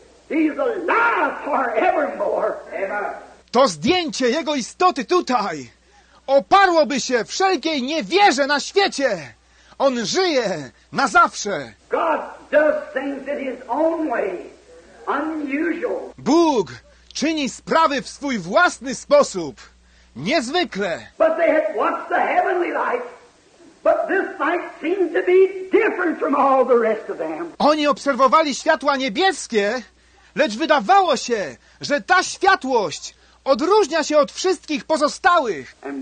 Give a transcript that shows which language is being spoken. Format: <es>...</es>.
<en>He's alive forevermore.</en> <pl>To zdjęcie jego istoty tutaj oparłoby się wszelkiej niewierze na świecie. On żyje na zawsze.</pl> <en>God does things in his own way, unusual.</en> <pl>Bóg czyni sprawy w swój własny sposób, niezwykle.</pl> <en>But they had watched the heavenly light, but this light seemed to be different from all the rest of them.</en> <pl>Oni obserwowali światła niebieskie, lecz wydawało się, że ta światłość odróżnia się od wszystkich pozostałych.</pl>